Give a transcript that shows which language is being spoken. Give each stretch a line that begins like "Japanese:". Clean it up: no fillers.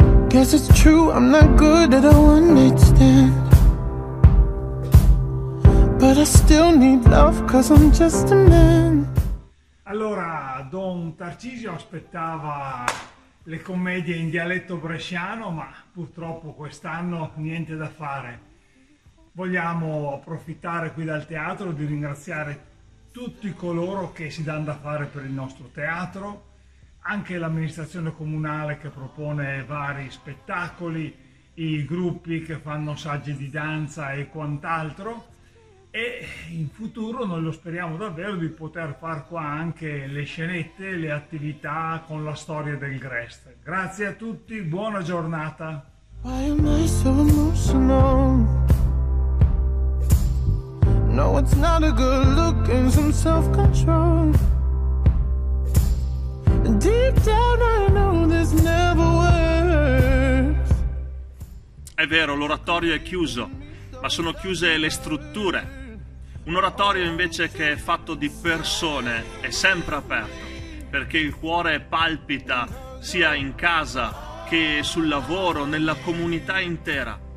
English: Yes, it's true, I'm not good at a one-night stand. But I still need love, cause I'm just a man.
Italian: Allora, Don Tarcisio aspettava le commedie in dialetto bresciano, ma purtroppo quest'anno niente da fare. Vogliamo approfittare qui dal teatro di ringraziare tutti coloro che si danno da fare per il nostro teatro, anche l'amministrazione comunale che propone vari spettacoli, i gruppi che fanno saggi di danza e quant'altro, e in futuro noi lo speriamo davvero di poter far qua anche le scenette, le attività con la storia del Grest. Grazie a tutti, buona giornata!
English: Why am I so emotional? No, it's not a good look and some self-control. Deep down I know this never works.
Italian: È vero, l'oratorio è chiuso, ma sono chiuse le strutture. Un oratorio invece che è fatto di persone è sempre aperto, perché il cuore palpita, sia in casa che sul lavoro, nella comunità intera.